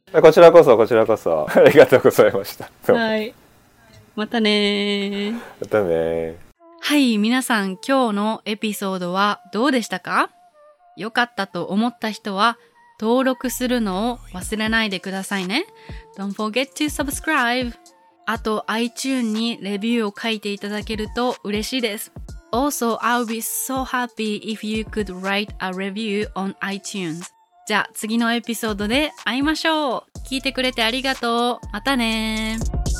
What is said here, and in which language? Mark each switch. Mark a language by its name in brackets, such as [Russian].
[Japanese] こちらこそ、こちらこそ。ありがとうございました。はい。またねー。またねー。はい、皆さん、今日のエピソードはどうでしたか？よかったと思った人は、登録するのを忘れないでくださいね。 [English] Don't forget to subscribe! [Japanese] あと、iTunes にレビューを書いていただけると嬉しいです。 [English] Also, I'll be so happy if you could write a review on iTunes. [Japanese] じゃあ、次のエピソードで会いましょう。聞いてくれてありがとう。またねー。